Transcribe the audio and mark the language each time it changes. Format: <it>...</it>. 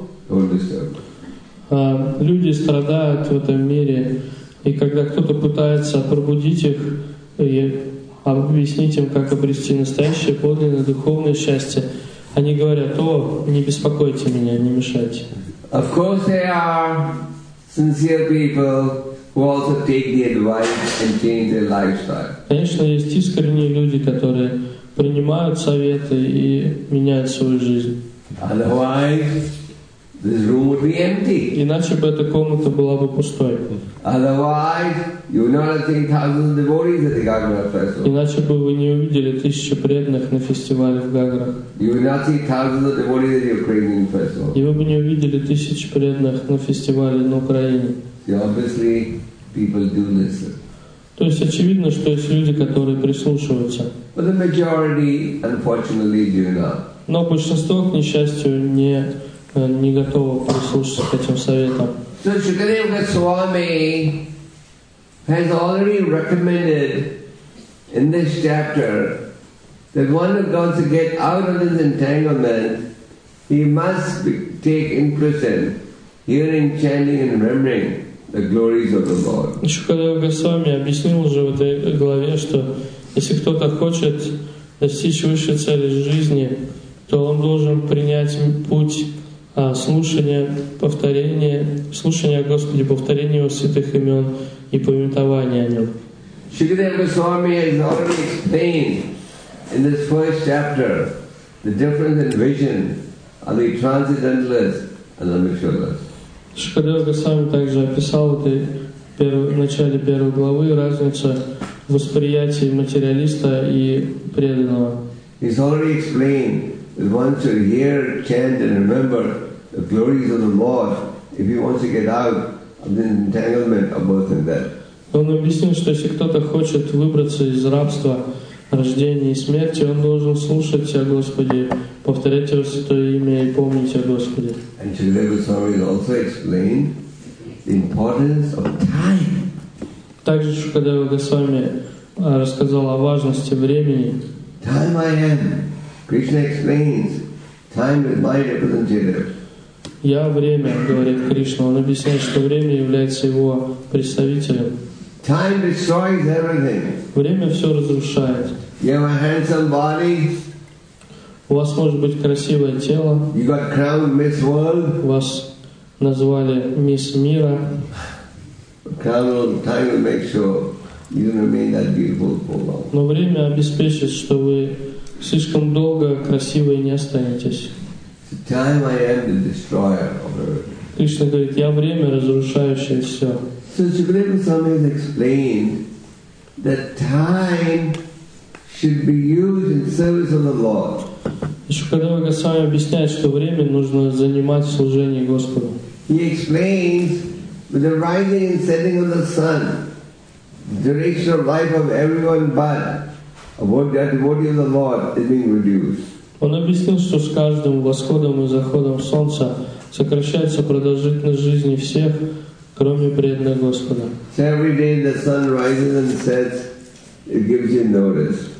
<ru>Люди страдают в этом мире, и когда кто-то пытается пробудить их и объяснить им, как обрести настоящее, подлинное, духовное счастье, они говорят: «О, не беспокойте меня, не мешайте».</ru> <en>Of course, there are sincere people who also take the advice and change their lifestyle.</en> <ru>Конечно, есть искренние люди, которые принимают советы и меняют свою жизнь.</ru> <en>Otherwise, this room would be empty.</en> <ru>Иначе бы эта комната была бы пустой.</ru> <en>Otherwise, you would not have seen thousands of devotees at the Gagra festival.</en> <ru>Иначе бы вы не увидели тысячи преданных на фестивале в Гагра.</ru> <en>You would not see thousands of devotees at the Ukrainian festival.</en> <ru>И вы бы не увидели тысячи преданных на фестивале на Украине.</ru> <en>See, obviously, people do listen.</en> <ru>То есть очевидно, что есть люди, которые прислушиваются.</ru> <en>But the majority, unfortunately, do not.</en> <ru>Но большинство, к несчастью, не готовы прислушаться к этим советам.</ru> <en>So Shukadeva Goswami has already recommended in this chapter that one who wants to get out of his entanglement, he must take interest in hearing, chanting, and remembering the glories of the Lord.</en> <ru>Shukadeva Goswami объяснил уже в этой главе, что если кто-то хочет достичь высшей цели жизни, то он должен принять путь слушание, повторение, слушание о Господе, повторение Его святых имен и памятование о Нем.</ru> <en>Shukadeva Goswami has already explained in this first chapter the difference in vision of the transcendentalist and the materialist.</en> <ru>Shukadeva Goswami также описал в начале первой главы разницу в восприятии материалиста и преданного.</ru> <en>He's already explained that one should hear, chant, and remember the glories of the Lord, if he wants to get out of the entanglement of birth and death.</en> <ru>Он объяснил, что если кто-то хочет выбраться из рабства рождения и смерти, он должен слушать о Господе, повторять Его святое имя и помнить о Господе.</ru> <en>And Shukadeva Goswami also explained the importance of time.</en> <ru>Также Шукадева Госвами рассказал о важности времени.</ru> <en>Time I am. Krishna explains time is my representative.</en> <ru>Я время, говорит Кришна. Он объясняет, что время является его представителем.</ru> <en>Time destroys everything.</en> <ru>Время все разрушает.</ru> <en>You have a handsome body.</en> <ru>У вас может быть красивое тело.</ru> <en>You got crowned Miss World.</en> <ru>Вас назвали мисс мира.</ru> <en>Time will make sure you remain that beautiful for long.</en> <ru>Но время обеспечит, что вы слишком долго красивой не останетесь.</ru> <en>Time I am the destroyer of everything.</en> <ru>Кришна говорит, я время, разрушающее все.</ru> <en>So Shukadeva Goswami has explained that time should be used in service of the Lord.</en> <ru>Shukadeva Goswami объясняет, что время нужно занимать в служении Господу.</ru> <en>He explains that the rising and setting of the sun, the duration of life of everyone but the devotee of the Lord is being reduced.</en> <ru>Он объяснил, что с каждым восходом и заходом солнца сокращается продолжительность жизни всех, кроме преданных Господа.</ru> <en>So every day the sun rises and sets, it gives you notice.</en>